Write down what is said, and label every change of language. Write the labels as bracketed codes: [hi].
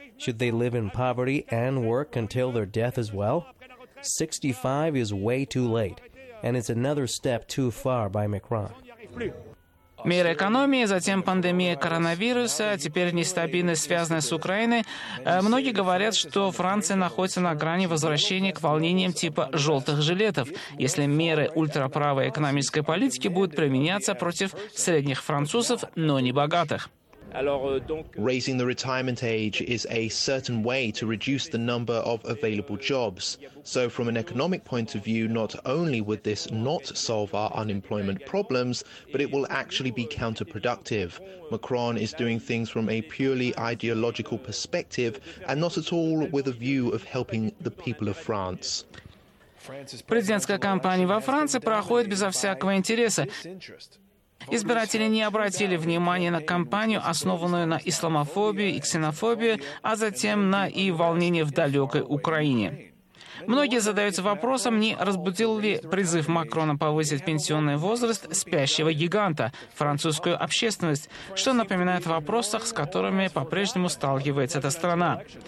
[en] Should they live in poverty and work until their death as well? 65 is way too late, and it's another step too far by Macron. [ru] Меры экономии, затем пандемия коронавируса, теперь нестабильность, связанная с Украиной. Многие говорят, что Франция находится на грани возвращения к волнениям типа «желтых жилетов», если меры ультраправой экономической политики будут применяться против средних французов, но не богатых. [en] Raising the retirement age is a certain way to reduce the number of available jobs. So from an economic point of view, not only would this not solve our unemployment problems, but it will actually be counterproductive. Macron is doing things from a purely ideological perspective and not at all with a view of helping the people of France. [ru] Президентская кампания во Франции проходит безо всякого интереса. Избиратели не обратили внимания на кампанию, основанную на исламофобии и ксенофобии, а затем на и волнения в далекой Украине. Многие задаются вопросом, не разбудил ли призыв Макрона повысить пенсионный возраст спящего гиганта, французскую общественность, что напоминает о вопросах, с которыми по-прежнему сталкивается эта страна.